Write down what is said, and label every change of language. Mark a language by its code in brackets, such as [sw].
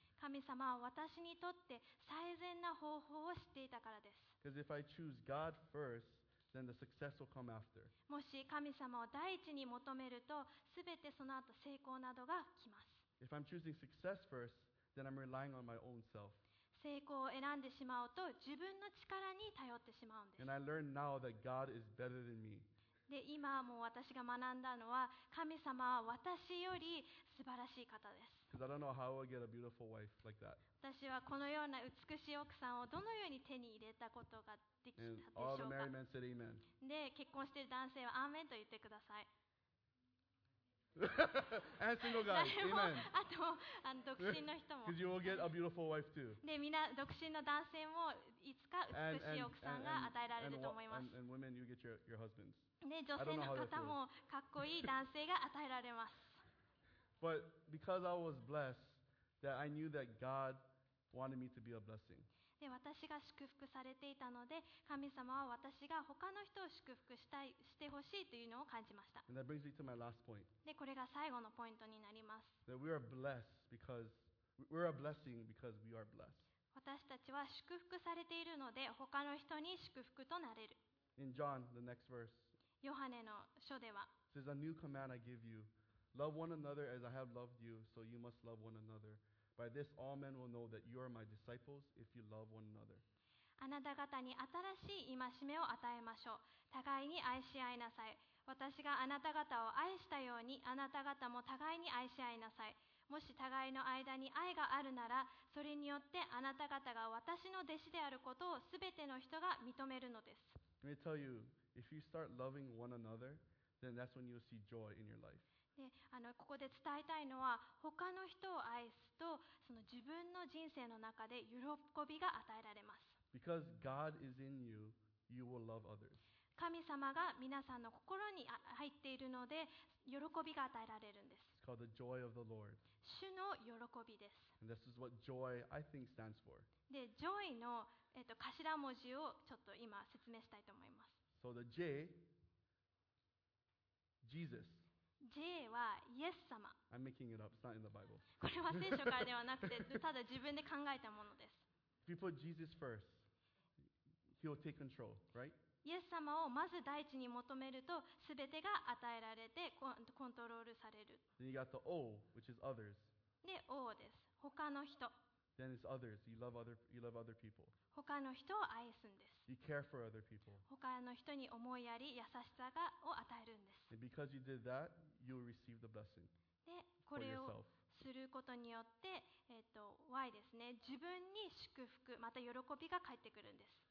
[ja] 神様は私にとって最善な方法を知っていたからです。 [en] Because if I choose God first, then the success will come after. [ja] もし神様を第一に求めると、すべてその後成功などが来ます。 [en] If I'm choosing success first, then I'm relying on my own self. [ja] 成功を選んでしまうと自分の力に頼ってしまうんです。 [en] And I learned now that God is better than me. [ja] で、今もう私が学んだのは、神様は私より素晴らしい方です。 [en] Because I don't know how I get a beautiful wife like that. [ja] 私はこのような美しい奥さんをどのように手に入れたことができたでしょうか。 [en] And all the married men said amen. [ja] で、結婚している男性はアーメンと言ってください。 [en] And single guys, amen. [ja] あと、独身の人も。 [en] Because you will get a beautiful wife too. [ja] で、みんな独身の男性もいつか美しい奥さんが与えられると思います。 [en] And women, you get your husbands. [ja] で、女性の方もかっこいい男性が与えられます。 [en] But because I was blessed, that I knew that God wanted me to be a blessing. [ja] で私が祝福されていたので、神様は私が他の人を祝福したい、してほしいというのを感じました。 [en] And that brings me to my last point. [ja] でこれが最後のポイントになります。 [en] That we are blessed because we're a blessing because we are blessed. [ja] 私たちは祝福されているので他の人に祝福となれる。 [en] In John, the next verse, [ja] ヨハネの書では [en] says, A new command I give you. Love one another as I have loved you, so you must love one another. By this, all men will know that you are my disciples if you love one another. [ja] あなた方に新しい戒めを与えましょう。互いに愛し合いなさい。私があなた方を愛したように、あなた方も互いに愛し合いなさい。もし互いの間に愛があるなら、それによってあなた方が私の弟子であることをすべての人が認めるのです。 [en] Let me tell you, if you start loving one another, then that's when you'll see joy in your life. [ja] で、ここで伝えたいのは、他の人を愛すと、その自分の人生の中で喜びが与えられます。 [en] Because God is in you, you will love others. [ja] 神様が皆さんの心に入っているので喜びが与えられるんです。 [en] It's called the joy of the Lord. [ja] 主の喜びです。 [en] And this is what joy, I think, stands for. [ja] で、joy の、頭文字をちょっと今説明したいと思います。 [en] So the J, Jesus. [ja] J はイエス様。 [en] I'm making it up, it's not in the Bible. [ja] これは聖書からではなくて、ただ自分で考えたものです。 [en] If you put Jesus first, he'll take control, right? [ja] イエス様をまず第一に求めると、すべてが与えられてコントロールされる。 [en] Then you got the O, which is others. [ja] で、O です。他の人。 [en] Then it's others. You love other people. [ja] 他の人を愛すんです。 [en] You care for other people. [ja] 他の人に思いやり、優しさを与えるんです。 [en] And because you did that, you will receive the blessing. [ja] で、これをすることによって、Y ですね。自分に祝福、また喜びが返ってくるんです。